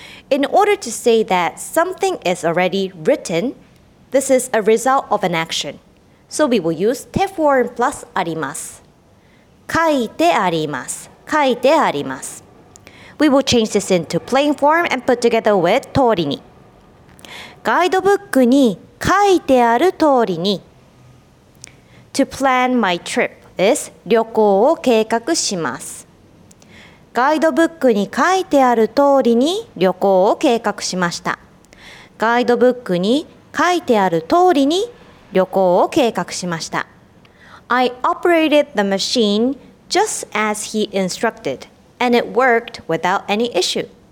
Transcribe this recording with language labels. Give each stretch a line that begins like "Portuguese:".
English: In order to say that something is already written, this is a result of an action. So we will use te form plus
Japanese: あります。書いてあります。書いてあります。
English: We will change this into plain form and put together with 通りに。
Japanese: ガイドブックに書いてある通りに。
English: To plan my trip is
Japanese: 旅行を計画します。ガイドブックに書いてある通りに旅行を計画しました。ガイドブックに書いてある通りに旅行を計画しました。
English: I operated the machineJust as he instructed, and it worked without any issue.